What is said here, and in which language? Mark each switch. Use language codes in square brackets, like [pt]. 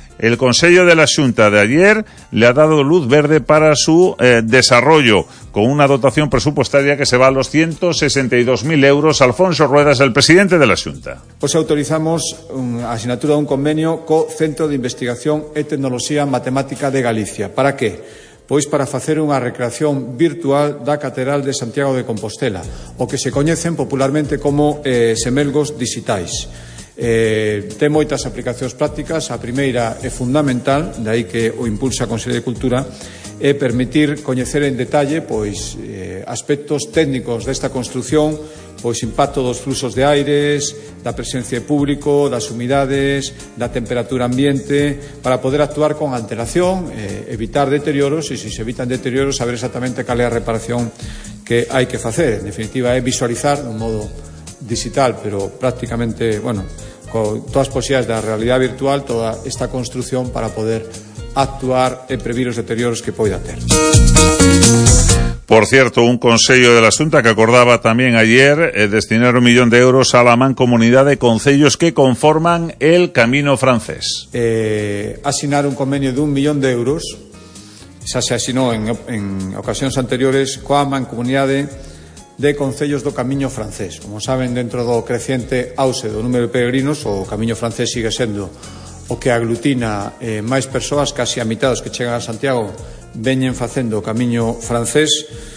[es] El Consejo de la Xunta de ayer le ha dado luz verde para su desarrollo, con una dotación presupuestaria que se va a los 162.000 euros. Alfonso Rueda es el presidente de la Xunta. Pues autorizamos la asignatura de un convenio con Centro de Investigación e Tecnología Matemática de Galicia. ¿Para qué? [gl] Pois para facer unha recreación virtual da Catedral de Santiago de Compostela, o que se coñecen popularmente como semelgos dixitais. Ten moitas aplicacións prácticas, a primeira é fundamental, de aí que o impulsa a Consellería de Cultura, é permitir coñecer en detalle pois aspectos técnicos desta construción, pois impacto dos fluxos de aires, da presencia de público, das humidades, da temperatura ambiente, para poder actuar con antelación, evitar deterioros, e se se evitan deterioros, saber exactamente cal é a reparación que hai que facer. En definitiva, é visualizar de un modo digital, pero prácticamente, bueno, con todas as posibilidades da realidade virtual, toda esta construcción para poder actuar e previr os deterioros que poida ter. [es] Por cierto, un consello de la Xunta que acordaba también ayer destinar 1 millón de euros a la mancomunidad de concellos que conforman el Camino Francés. [gl] Asinar un convenio de 1 millón de euros, xa se asinou en ocasións anteriores, coa mancomunidad de concellos do Camino Francés. Como saben, dentro do creciente auxe do número de peregrinos, o Camino Francés sigue sendo o que aglutina máis persoas, casi a mitad dos que chegan a Santiago veñen facendo o Camiño Francés.